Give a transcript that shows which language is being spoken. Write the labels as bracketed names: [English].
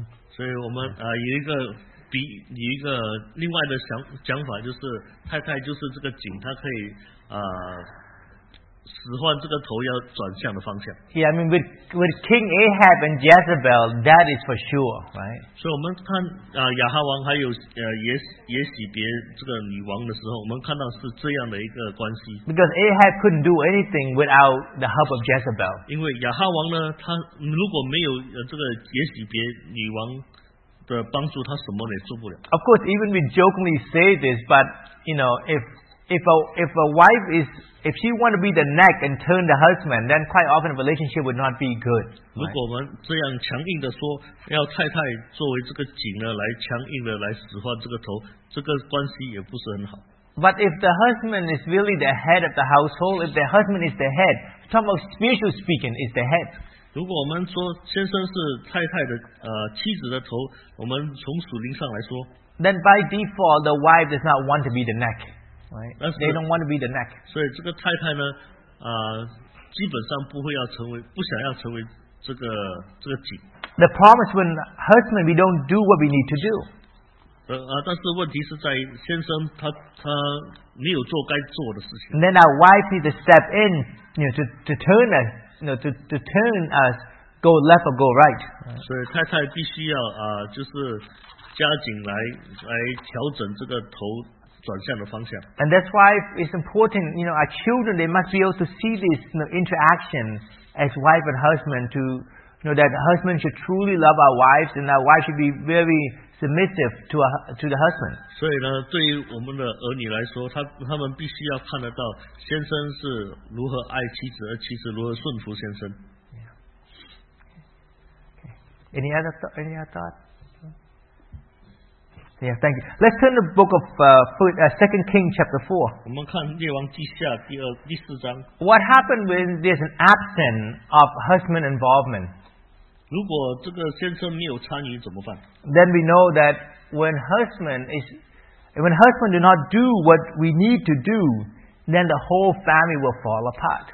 [Chinese] 所以我们有一个比有一个另外的讲法，就是太太就是这个颈，她可以使唤这个头要转向的方向。 [English] Yeah, I mean with King Ahab and Jezebel, that is for sure, right? [Chinese] 所以我们看亚哈王还有耶洗别这个女王的时候，我们看到是这样的一个关系。 [English] Because Ahab couldn't do anything without the help of Jezebel. [Chinese] 因为亚哈王呢，他如果没有这个耶洗别女王的帮助，他什么也做不了。 [English] Of course, even we jokingly say this, but you know if a wife is if she want to be the neck and turn the husband, then quite often a relationship would not be good. [Chinese] 如果我们这样强硬的说，要太太作为这个颈呢，来强硬的来使唤这个头，这个关系也不是很好。 [English] But if the husband is really the head of the household, if the husband is the head, talking about spiritually speaking, is the head. [Chinese] 如果我们说先生是太太的妻子的头，我们从属灵上来说 [English] ，then by default the wife does not want to be the neck. Right? They don't want to be the neck. [Chinese] 所以这个太太呢，基本上不会要成为，不想要成为这个颈。 [English] The problem is when husband, we don't do what we need to do. [Chinese] 但是问题是在先生他没有做该做的事情。 [English] And then our wife needs to step in, you know, to turn us, you know, to turn us, go left or go right. [Chinese] 所以太太必须要就是加紧来调整这个头。 [English] And that's why it's important, you know, our children, they must be able to see this, you know, interaction as wife and husband to, you know, that the husband should truly love our wives and our wife should be very submissive to the husband. [Chinese] 所以呢，对于我们的儿女来说，他们必须要看得到先生是如何爱妻子，而妻子如何顺服先生。 [English] Yeah. Okay. Any other thoughts? Yeah, thank you. Let's turn the book of 2 Kings chapter 4. [Chinese] 我们看列王记下第四章。 [English] What happened when there's an absence of husband involvement? [Chinese] 如果这个先生没有参与怎么办？ [English] Then we know that when husband do not do what we need to do, then the whole family will fall apart.